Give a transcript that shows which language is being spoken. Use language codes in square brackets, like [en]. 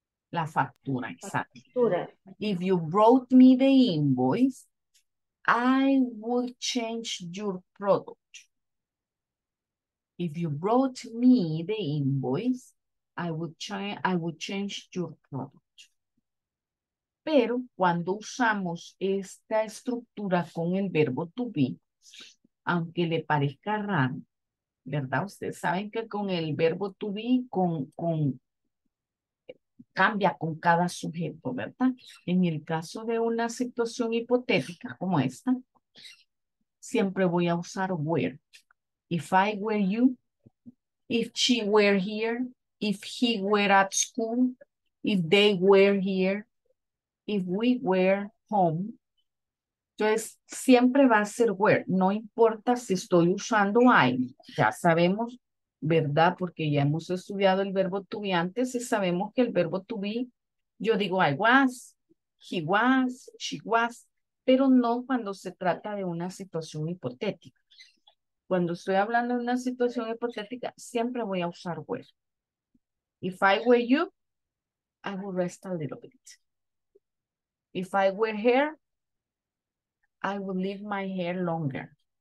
[es] La factura, exacto. Factura. [en] If you brought me the invoice, I would change your product. If you brought me the invoice, I would change your product. [es] Pero cuando usamos esta estructura con el verbo to be, aunque le parezca raro, ¿verdad? Ustedes saben que con el verbo to be, con cambia con cada sujeto, ¿verdad? En el caso de una situación hipotética como esta, siempre voy a usar were. [en] If I were you, if she were here, if he were at school, if they were here, if we were home. [es] Entonces, siempre va a ser where. No importa si estoy usando I. Ya sabemos, ¿verdad? Porque ya hemos estudiado el verbo to be antes y sabemos que el verbo to be, yo digo [en] I was, he was, she was, [es] pero no cuando se trata de una situación hipotética. Cuando estoy hablando de una situación hipotética, siempre voy a usar where. [en] If I were you, I would rest a little bit. If I were hair, I would leave my hair longer.